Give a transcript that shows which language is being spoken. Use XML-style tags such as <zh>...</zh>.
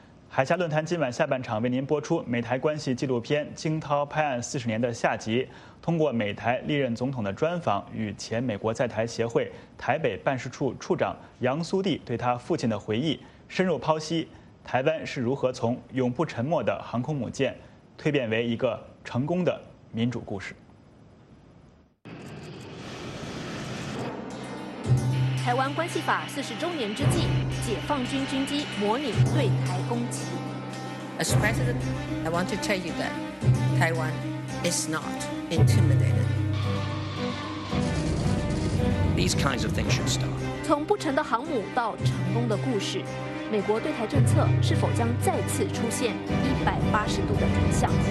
<zh>海峡论坛今晚下半场为您播出美台关系纪录片《惊涛拍岸四十年》的下集，通过美台历任总统的专访与前美国在台协会台北办事处处长杨苏蒂对他父亲的回忆，深入剖析台湾是如何从永不沉没的航空母舰蜕变为一个成功的民主故事。台湾关系法四十周年之际，解放军军机模拟对台攻击。</zh> <en>As president, I want to tell you that Taiwan is not intimidated. These kinds of things should stop.</en> <zh>从不沉的航母到成功的故事，美国对台政策是否将再次出现180度的转向？</zh>